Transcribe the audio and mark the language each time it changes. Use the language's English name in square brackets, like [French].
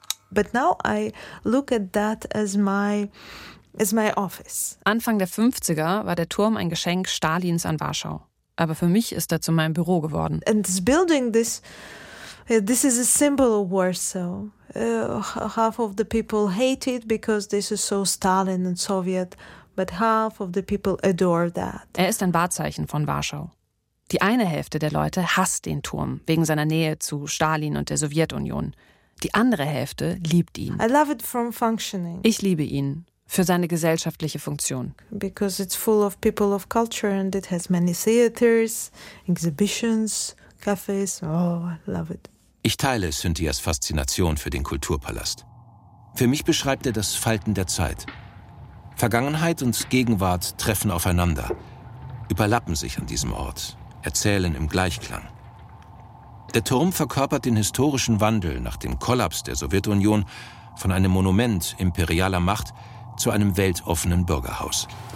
[English] But now I look at that as my office. [German] Anfang der 50er war der Turm ein Geschenk Stalins an Warschau. Aber für mich ist er zu meinem Büro geworden. [English] And this building, this is a symbol of Warsaw. Half of the people hate it because this is so Stalin and Soviet, but half of the people adore that. [German] Er ist ein Wahrzeichen von Warschau. Die eine Hälfte der Leute hasst den Turm wegen seiner Nähe zu Stalin und der Sowjetunion. Die andere Hälfte liebt ihn. [English] I love it from functioning. [German] Ich liebe ihn für seine gesellschaftliche Funktion. [English] Because it's full of people of culture and it has many theaters, exhibitions, cafes. Oh, I love it. [German] Ich teile Cynthias Faszination für den Kulturpalast. Für mich beschreibt er das Falten der Zeit. Vergangenheit und Gegenwart treffen aufeinander, überlappen sich an diesem Ort, erzählen im Gleichklang. Der Turm verkörpert den historischen Wandel nach dem Kollaps der Sowjetunion von einem Monument imperialer Macht zu einem weltoffenen Bürgerhaus.